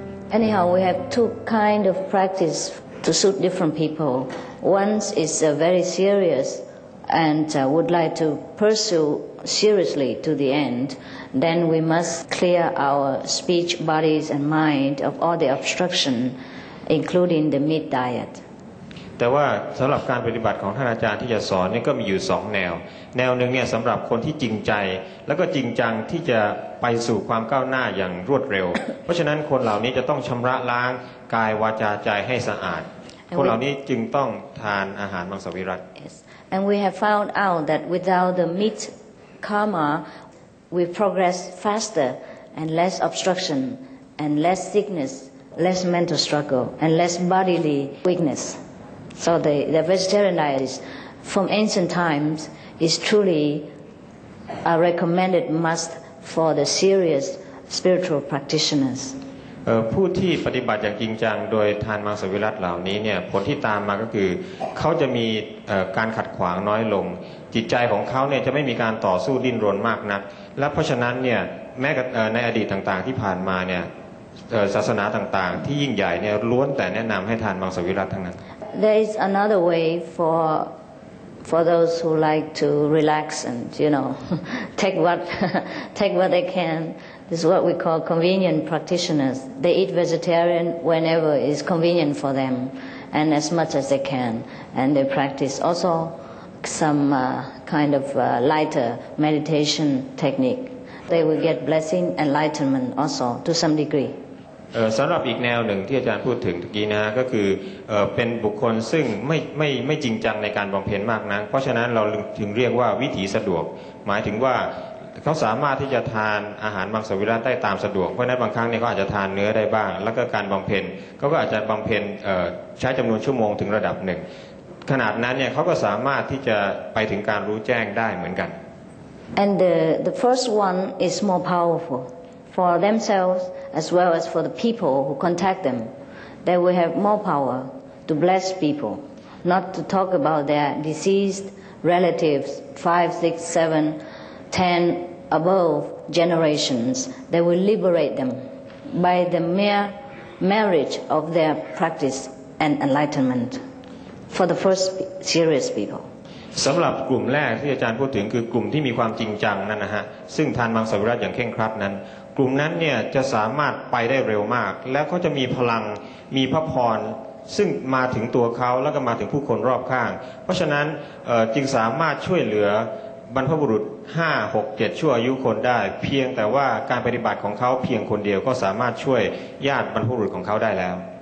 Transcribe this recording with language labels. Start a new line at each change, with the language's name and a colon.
English: Anyhow, we have two kind of practice to suit different people. One is very serious and would like to pursue seriously to the end. Then we must clear our speech, bodies, and mind of all the obstruction, including the meat diet.
Thai: แต่ว่าสำหรับการปฏิบัติของท่านอาจารย์ที่จะสอนนี่ก็มีอยู่สองแนวแนวหนึ่งเนี่ยสำหรับคนที่จริงใจแล้วก็จริงจังที่จะไปสู่ความก้าวหน้าอย่างรวดเร็วเพราะฉะนั้นคนเหล่านี้จะต้องชำระล้างกายวาจาใจให้สะอาดคนเหล่านี้จึงต้องทานอาหารมังสวิรัติ
English: Yes. And we have found out that without the meat karma we progress faster and less obstruction and less sickness less mental struggle and less bodily weaknessSo the vegetarian diet is, from ancient times is truly a recommended must for the serious spiritual practitioners.
Thai: ผู้ที่ปฏิบัติอย่างจริงจังโดยทานมังสวิรัติเหล่านี้เนี่ยผลที่ตามมาก็คือเขาจะมีการขัดขวางน้อยลงจิตใจของเขาเนี่ยจะไม่มีการต่อสู้ดิ้นรนมากนักและเพราะฉะนั้นเนี่ยแม้ในอดีตต่างๆที่ผ่านมาเนี่ยศาสนาต่างๆที่ยิ่งใหญ่เนี่ยล้วนแต่แนะนำให้ทานมังสวิรัติทั้งนั้น
English: There is another way for those who like to relax and you know take what they can This is what we call convenient practitioners. They eat vegetarian whenever it is convenient for them, and as much as they can. And they practice also some kind of lighter meditation technique. They will get blessing enlightenment also to some degree.
Thai: สำหรับอีกแนวหนึ่งที่อาจารย์พูดถึงตะกี้นะก็คือ เป็นบุคคลซึ่งไม่จริงจังในการบำเพ็ญมากนักเพราะฉะนั้นเราถึงเรียกว่าวิถีสะดวกหมายถึงว่าเขาสามารถที่จะทานอาหารมังสวิรัติได้ตามสะดวกเพราะนั้นบางครั้งเนี่ยก็อาจจะทานเนื้อได้บ้างแล้วก็การบำเพ็ญก็อาจจะบำเพ็ญใช้จำนวนชั่วโมงถึงระดับหนึ่งขนาดนั้นเนี่ยเขาก็สามารถที่จะไปถึงการรู้แจ้งได้เหมือนกัน
English: and the first one is more powerfulFor themselves, as well as for the people who contact them, they will have more power to bless people, not to talk about their deceased relatives, 5, 6, 7, 10 above generations. They will liberate them by the mere marriage of their practice and enlightenment for the first serious people.
Thai: สำหรับกลุ่มแรกที่อาจารย์พูดถึงคือกลุ่มที่มีความจริงจังนั่นนะฮะซึ่งทานมังสวิรัติอย่างเคร่งครัดนั้นกลุ่มนั้นเนี่ยจะสามารถไปได้เร็วมากและเขาจะมีพลังมีพระพรซึ่งมาถึงตัวเขาแล้วก็มาถึงผู้คนรอบข้างเพราะฉะนั้นจึงสามารถช่วยเหลือบรรพบุรุษ5 6 7ชั่วอายุคนได้เพียงแต่ว่าการปฏิบัติของเขาเพียงคนเดียวก็สามารถช่วยญาติบรรพบุรุษของเขาได้แล้ว